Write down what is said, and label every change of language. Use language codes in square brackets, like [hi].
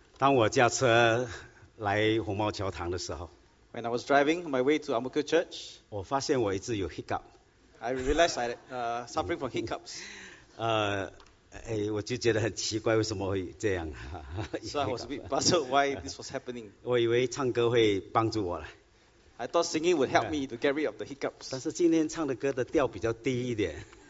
[zh] 当我驾车来红茂教堂的时候 [en] ，When I was driving on my way to Amuku Church， [zh] 我发现我一直有 hiccup。 [en] I realized I suffering from hiccups。 [zh] 我就觉得很奇怪，为什么会这样 [en] ？So I was a bit puzzled why this was happening。 [zh] 我以为唱歌会帮助我了。 [en] I thought singing would help me to get rid of the hiccups。 [zh] 但是今天唱的歌的调比较低一点。